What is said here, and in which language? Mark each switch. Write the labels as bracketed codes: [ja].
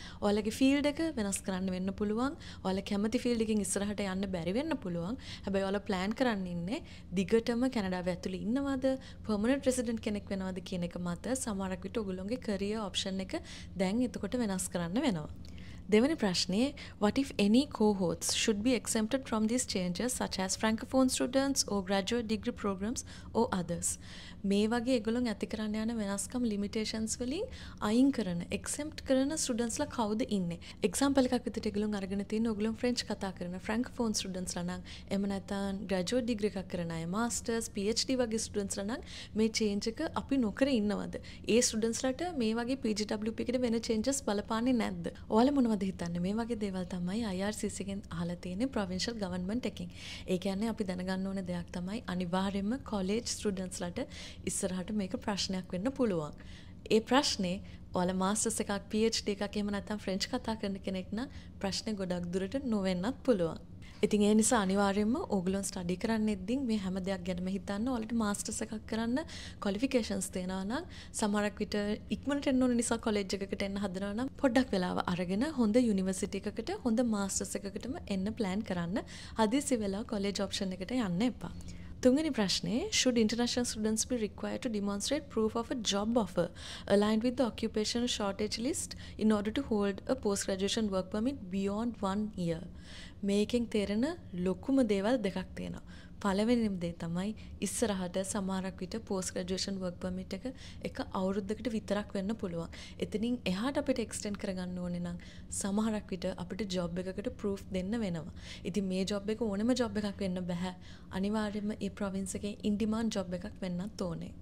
[si] ඔයාලගේ ෆීල්ඩ් එක වෙනස් කරන්න වෙන්න පුළුවන්. ඔයාලා කැමති ෆීල්ඩ් එකකින් ඉස්සරහට යන්න බැරි වෙන්න පුළුවන්. හැබැයි ඔයාලා ප්ලෑන් කරන්න ඉන්නේ දිගටම කැනඩාව ඇතුළේ ඉන්නවද, පර්මනන්ට් රෙසිඩන්ට් කෙනෙක් වෙනවද කියන එක මත සමහරක් විට ඔයගොල්ලෝගේ කරියර් ඔප්ෂන් එක දැන් එතකොට වෙනස් කරන්න වෙනවා. දෙවන ප්‍රශ්නේ, [en] what if any cohorts should be exempted from these changes such as francophone students or graduate degree programs or others? [si] මේ වගේ ඒගොල්ලන් ඇති කරන්න යන වෙනස්කම් limitations වලින් අයින් කරන exempt කරන students ලා කවුද ඉන්නේ? example එකක් විදිහට ඒගොල්ලන් අරගෙන තියෙන ඔයගොල්ලන් french කතා කරන francophone students ලා නම්, එම නැත්නම් graduate degree එකක් කරන අය, masters, phd වගේ students ලා නම් මේ change එක අපි නොකර ඉන්නවද? ඒ students ලාට මේ වගේ pgwp එකේ වෙන changes බලපාන්නේ නැද්ද? ඔයාලම මොනවද හිතන්නේ? මේ වගේ දේවල් තමයි IRRC එකෙන් අහලා තියෙන්නේ provincial government එකෙන්. ඒ කියන්නේ අපි දැනගන්න ඕන දෙයක් තමයි අනිවාර්යයෙන්ම college students ලාට ඉස්සරහට මේක ප්‍රශ්නයක් වෙන්න පුළුවන්. ඒ ප්‍රශ්නේ ඔයාලා මාස්ටර්ස් එකක්, PhD එකක් එහෙම නැත්නම් ෆ්‍රෙන්ච් කතා කරන කෙනෙක් නම් ප්‍රශ්නේ ගොඩක් දුරට නොවෙන්නත් පුළුවන්. ඉතින් ඒ නිසා අනිවාර්යයෙන්ම ඕගලොන් ස්ටඩි කරන්නෙද්දී මේ හැම දෙයක් ගැනම හිතන්න. ඔයාලට මාස්ටර්ස් එකක් කරන්න ක්වොලිෆිකේෂන්ස් තේනවා නම් සමහරක් විට ඉක්මනට එන්න ඕන නිසා කොලෙජ් එකකට එන්න හදනවා නම් පොඩ්ඩක් වෙලාව අරගෙන හොඳ යුනිවර්සිටි එකකට, හොඳ මාස්ටර්ස් එකකටම එන්න ප්ලෑන් කරන්න. හදිසි වෙලාව කොලෙජ් ඔප්ෂන් එකට යන්න එපා. තුන්වෙනි ප්‍රශ්නේ, [en] should international students be required to demonstrate proof of a job offer aligned with the occupational shortage list in order to hold a post-graduation work permit beyond 1 year? [si] මේකෙන් තේරෙන ලොකුම දේවල් දෙකක් තියෙනවා. පළවෙනිම දේ තමයි ඉස්සරහට සමහරක් විට පෝස්ට් ග්‍රැජුවේෂන් වර්ක් පර්මිට් එක අවුරුද්දකට විතරක් වෙන්න පුළුවන්. එතනින් එහාට අපිට එක්ස්ටෙන්ඩ් කරගන්න ඕනේ නම් සමහරක් විට අපිට ජොබ් එකකට ප්‍රූෆ් දෙන්න වෙනවා. ඉතින් මේ ජොබ් එක ඕනෙම ජොබ් එකක් වෙන්න බෑ. අනිවාර්යයෙන්ම ඒ ප්‍රොවින්ස් එකේ ඉන් ඩිමාන්ඩ් ජොබ් එකක් වෙන්නත් ඕනේ.